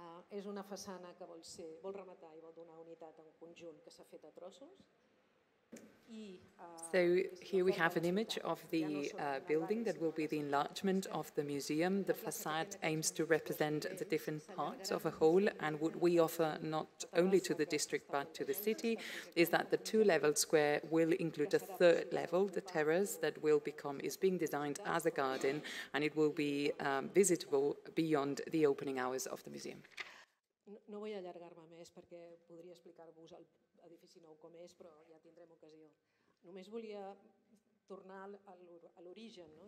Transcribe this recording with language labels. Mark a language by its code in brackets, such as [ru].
[ca] És una façana que vol ser, vol rematar I vol donar unitat a un conjunt que s'ha fet a trossos. [en] So here we have an image of the building that will be the enlargement of the museum. The facade aims to represent the different parts of a whole, and what we offer not only to the district but to the city is that the two-level square will include a third level, the terrace, that will become is being designed as a garden, and it will be visitable beyond the opening hours of the museum. [ca] No vull allargar-me més perquè podria explicar-vos el edifici nou com és, però ja tindrem ocasió. Només volia tornar a l'origen, no?